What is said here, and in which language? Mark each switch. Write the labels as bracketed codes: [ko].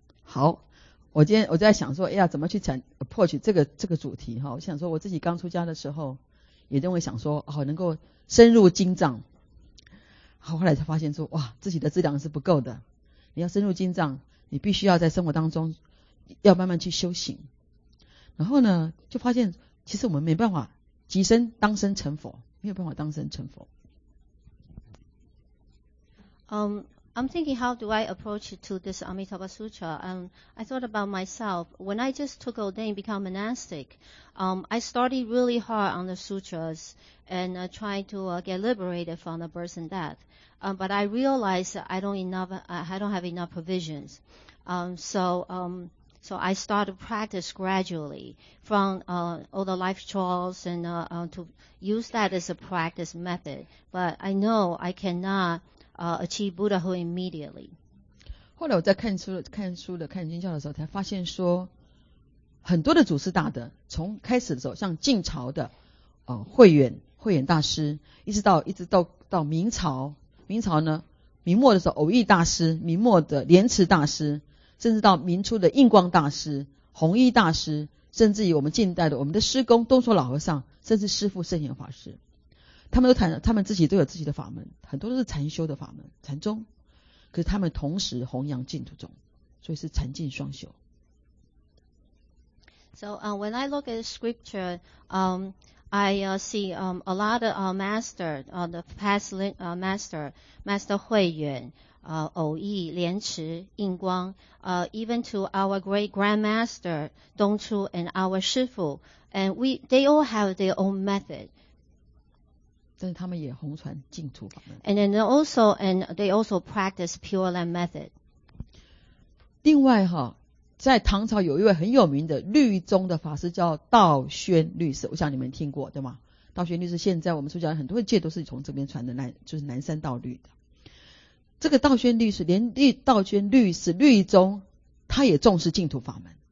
[zh] 好，我今天我在想说，哎呀，怎么去approach这个主题哈？我想说，我自己刚出家的时候，也都会想说，哦，能够深入经藏。后来才发现说，哇，自己的质量是不够的。你要深入经藏，你必须要在生活当中要慢慢去修行。然后呢，就发现其实我们没办法即身当身成佛，没有办法当身成佛。 [en] I'm thinking how do I approach to this Amitabha Sutra. I thought about myself. When I just took ordained, become monastic, I studied really hard on the sutras and tried to get liberated from the birth and death. But I realized I don't have enough provisions. So, So I started practice gradually from all the life trials and to use that as a practice method. But I know I cannot achieve Buddhahood immediately. [zh] 后来我在看书的看经教的时候，才发现说，很多的祖师大德，从开始的时候，像晋朝的慧远大师，一直到明朝，明朝呢，明末的时候偶益大师，明末的莲池大师，甚至到明初的印光大师、弘一大师，甚至于我们近代的我们的师公东所老和尚，甚至师父圣严法师，他们自己都有自己的法门，很多都是禅修的法门，禅宗。可是他们同时弘扬净土宗，所以是禅净双修。 [en] So when I look at scripture, I see a lot of master, the past master, Master 慧远。偶益、莲池、印光even to our great grandmaster, 东初 and our 师父 and they all have their own method. [zh] 但是他们也弘传净土法门。 [en] And then they also practice Pure Land method. [zh] 另外哈，在唐朝有一位很有名的律宗的法师叫道宣律师，我想你们听过对吗？道宣律师现在我们出家很多戒都是从这边传的，就是南山道律的。这个道宣律师，连道宣律师律宗，他也重视净土法门。